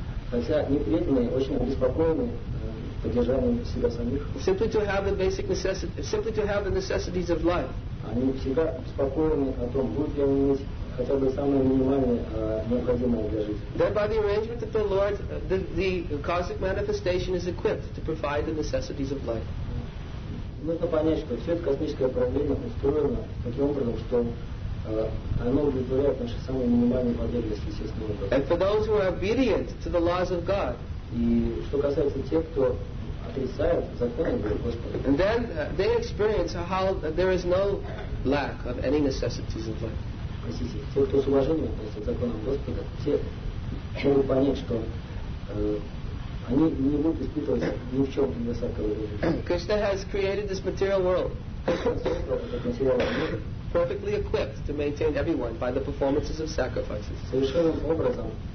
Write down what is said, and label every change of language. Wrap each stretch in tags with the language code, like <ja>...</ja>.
<en>Simply to have the basic necessities, simply to have the necessities of life. Thereby the arrangement of the Lord, the cosmic manifestation is equipped to provide the necessities of life.</en> <ru>Нужно понять, что все это космическое проявление устроено таким образом, что оно удовлетворяет наши самые минимальные потребности естественного образа.</ru> <en>And for those who are obedient to the laws of God.</en> <ru>И что касается тех, кто отрицает законы Господа.</ru> <en>And then they experience how there is no lack of any necessities of life.</en> <ru>Простите, те, кто с уважением относится к законам Господа, те могут понять, что они не будут испытывать ни в чем недостатковой жизни.</ru> <en>Krishna has created this material world. Perfectly equipped to maintain everyone by the performances of sacrifices.</en>